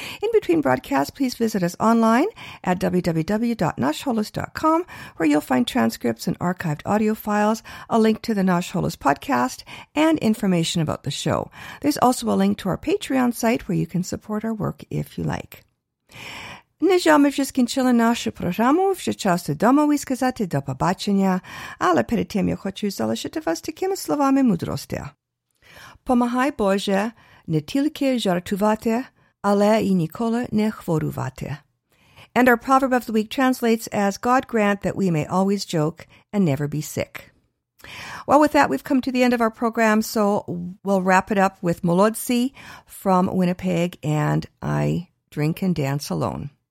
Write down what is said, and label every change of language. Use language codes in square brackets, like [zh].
[en] In between broadcasts, please visit us online at www.nashholos.com, where you'll find transcripts and archived audio files, a link to the Nash Holos podcast, and information about the show. There's also a link to our Patreon site where you can support our work if you like. [uk] Нежа ми вже скінчили нашу програму, вже час додому і сказати до побачення, але перед тим я хочу залишити вас такими словами мудрості. Помагай, Боже, не тільки жартувати, але і ніколи не хворувати. [en] And our proverb of the week translates as, God grant that we may always joke and never be sick. Well, with that, we've come to the end of our program, so we'll wrap it up with Molodsi from Winnipeg and I Drink and Dance Alone.